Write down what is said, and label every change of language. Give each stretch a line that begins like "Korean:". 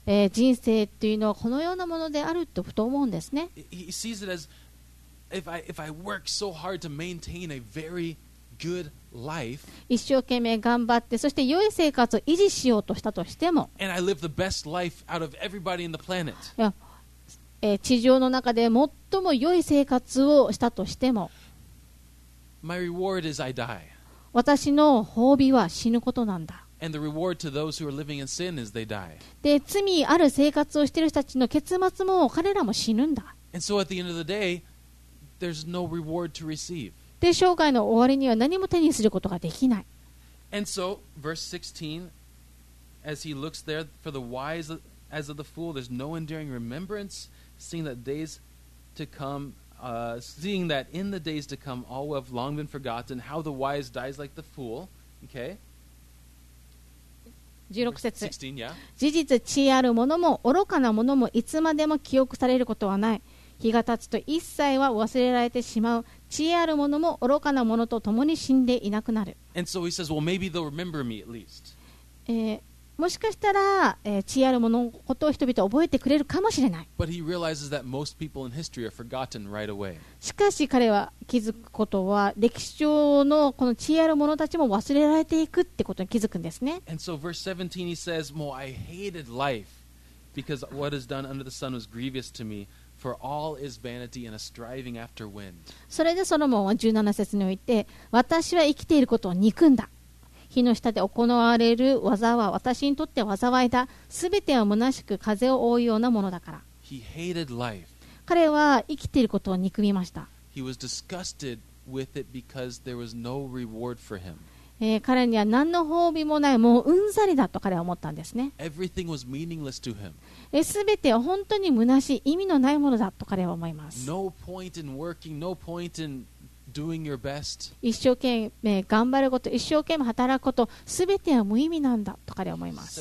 Japanese: 人生というのはこのようなものであるとふと思うんですね。
English: He sees it as if I work so hard to maintain a very good life,
Japanese: 一生懸命頑張って、そして良い生活を維持しようとしたとしても、
English: and I live the best life out of everybody in the planet.
Japanese: 地上の中で最も良い生活をしたとしても、
English: My reward is I die.
Japanese: 私の褒美は死ぬことなんだ。
English: And the reward to those who are living in sin is they die.
Japanese: で、罪ある生活をしている人たちの結末も彼らも死ぬんだ。
English: And so at the end of the day, there's no reward to receive.
Japanese: で、生涯の終わりには何も手にすることができない。
English: And so, verse 16, as he looks there for the wise as of the fool, there's no enduring remembrance, seeing that days to come, seeing that in the days to come all will have long been forgotten, how the wise dies like the fool. Okay.
Japanese: 16節、16, yeah. 事実知恵ある者も愚かな者もいつまでも記憶されることはない。日が経つと一切は忘れられてしまう。知恵ある者も愚かな者と共に死んでいなくなる。
English: So says, well,
Japanese: もしかしたら、知恵ある者のことを人々は覚えてくれるかもしれない。
English: Right、
Japanese: しかし彼は気づくことは、歴史上のこの知恵ある者たちも忘れられていくってことに気づくんですね。
English: So、verse 17, he says, もう I hated life because what is done under the sun was grievous to me, for all is vanity and a striving after wind.
Japanese: それでソロモンは17節において、私は生きていることを憎んだ。火の下で行われる技は私にとって災いだ。すべては虚しく風を覆うようなものだから。
English: He hated life.
Japanese: 彼は生きていることを憎みました。
English: He was disgusted with it because there was no reward for him.
Japanese: 彼には何の褒美もない、もううんざりだと彼は思ったんですね。
English: Everything was meaningless to him.
Japanese: すべて本当に虚しい、意味のないものだと彼は思います。
English: No point in working, no point in... Doing your best.
Japanese: 一生懸命頑張ること、一生懸命働くこと、すべては無意味なんだと彼は思います。